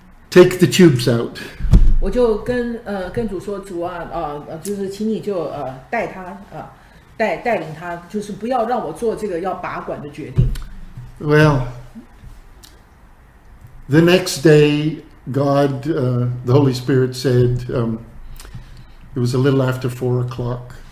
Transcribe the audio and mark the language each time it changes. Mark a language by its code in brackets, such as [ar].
[en] Take the tubes out. [zh] 我就跟跟主说，主啊，就是请你就带他带领他，就是不要让我做这个要拔管的决定。 [en] Well, the next day, God, the Holy Spirit said, it was a little after 4 o'clock.